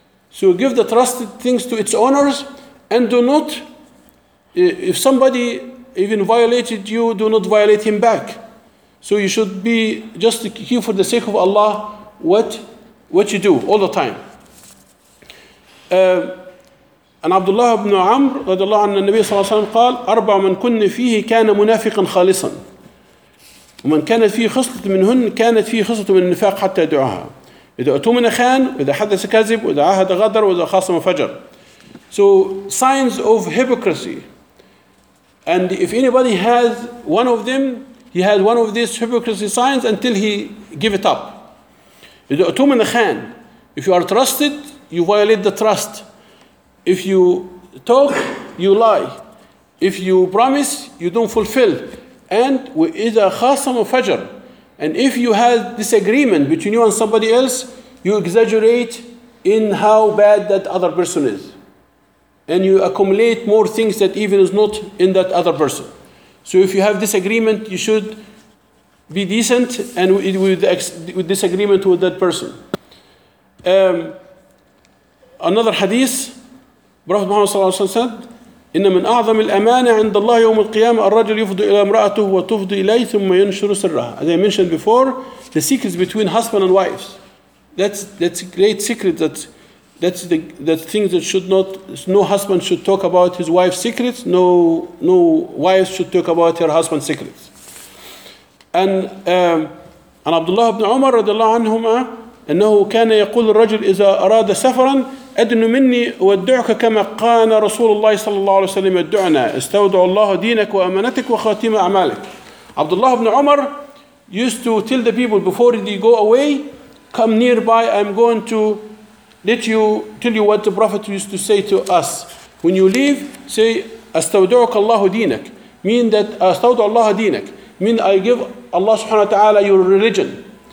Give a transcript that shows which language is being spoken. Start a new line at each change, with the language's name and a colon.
English: So give the trusted things to its owners and do not, if somebody even violated you, do not violate him back. So you should be just keep for the sake of Allah what you do all the time.
Arabic: And Abdullah ibn Amr رضي الله عنه النبي صلى الله عليه وسلم قال أربع من كن فيه كان منافقا خالصا ومن كانت فيه خصلة منهن كانت فيه خصلة من النفاق حتى يدعوها. إذا أتومن خان وإذا حدث كاذب وإذا عهد غدر وإذا خاصم فجر.
English: So signs of hypocrisy, and if anybody has one of them, he has one of these hypocrisy signs until he give it up.
Arabic: إذا أتومن خان,
English: if you are trusted, you violate the trust. If you talk, you lie. If you promise, you don't fulfill. And with a khasam of fajr, and if you have disagreement between you and somebody else, you exaggerate in how bad that other person is. And you accumulate more things that even is not in that other person. So if you have disagreement, you should be decent and with disagreement with that person. Another hadith, Prophet Muhammad sallallahu alaihi wasallam said,
Arabic: إن من أعظم الأمانة عند الله يوم القيامة الرجل يفضي إلى امرأته وتفضي إليه ثم ينشر سرها.
English: As I mentioned before, the secrets between husband and wives. That's a great secret that That's things that should not, no husband should talk about his wife's secrets, no wife should talk about her husband's secrets.
Arabic: And Abdullah ibn Umar radiallahu anhuma, أنه كان يقول الرجل إذا أراد سفرا أدن مني ودعك كما قال رسول الله صلى الله عليه وسلم يدعنا استودع الله دينك وأمانتك وخاتم أعمالك.
English: Abdullah ibn Umar used to tell the people before they go away, come nearby, I'm going to let you tell you what the Prophet used to say to us. When you leave, say
Arabic: استودعك الله دينك,
English: mean that
Arabic: استودع الله دينك,
English: mean I give Allah
Arabic: سبحانه وتعالى
English: your religion.